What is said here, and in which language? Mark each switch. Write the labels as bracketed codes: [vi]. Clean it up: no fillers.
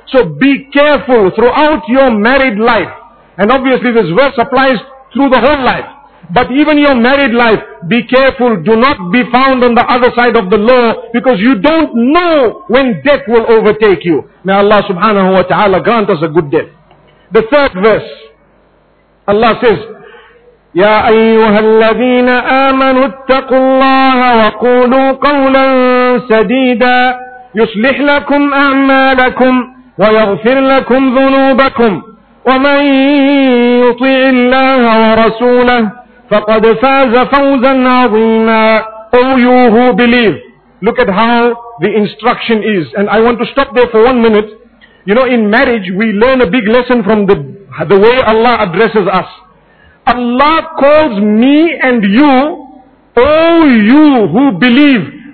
[en] So be careful throughout your married life. And obviously this verse applies through the whole life. But even your married life, be careful. Do not be found on the other side of the law, because you don't know when death will overtake you. May Allah subhanahu wa ta'ala grant us a good death. The third verse, Allah says, [ar] يَا أَيُّهَا الَّذِينَ آمَنُوا اتَّقُوا اللَّهَ وَقُولُوا قَوْلًا سَدِيدًا يُصْلِحْ لَكُمْ أَعْمَالَكُمْ وَيَغْفِرْ لَكُمْ ذُنُوبَكُمْ وَمَنْ يُطِعِ اللَّهَ وَرَسُولَهُ فَقَدْ فَازَ فَوْزًا عَظِيمًا. [en] Oh you who believe, look at how the instruction is. And I want to stop there for 1 minute. You know, in marriage, we learn a big lesson from the way Allah addresses us. Allah calls me and you, oh you who believe.